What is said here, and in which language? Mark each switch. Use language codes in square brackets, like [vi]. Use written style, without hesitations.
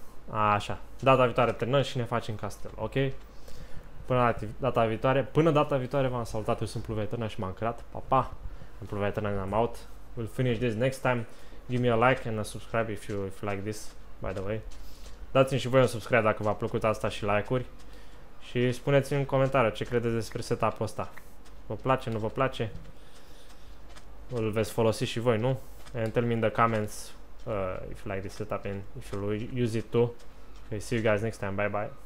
[ro] Așa. Data viitoare terminăm și ne facem castel, ok? Până data viitoare. Până data viitoare v-am salutat. Eu sunt Pluvietărnă și m-am creat. Pa, pa! [en] I'm Pluvietărnă and I'm out. We'll finish this next time. Give me a like and a subscribe if you like this, by the way. [ro] Dați-mi și voi un subscribe dacă v-a plăcut asta și like-uri. Și spuneți-mi în comentariu ce credeți despre setup-ul ăsta. Vă place, nu vă place? Îl veți folosi și voi, nu? [en] And tell me in the comments if you like this setup and if you'll use it too. Okay, see you guys next time. Bye bye.